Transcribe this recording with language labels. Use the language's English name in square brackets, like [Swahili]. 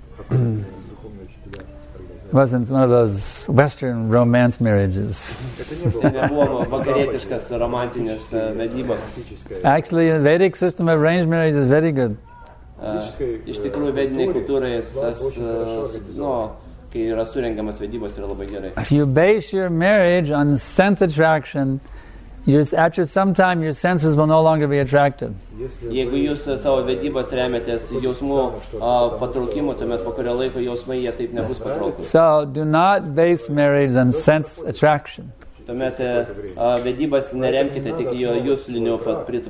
[English] It wasn't one of those Western romance marriages. Actually, the Vedic system of arranged marriage is very good. [Lithuanian] Iš tikrųjų, vedinė kultūra, kai yra surengiamas vedybos, yra labai gerai. [English] If you base your marriage on sense attraction, after some time your senses will no longer be attracted. [Lithuanian] Jeigu jūs savo vedybos remiatės jausmų patraukimo, tuomet po kurio laiko jausmai jie taip nebus patraukti. [English] So, do not base marriage on sense attraction. [Lithuanian] Tuomet vedybos neremkite tik jo juslinių patritų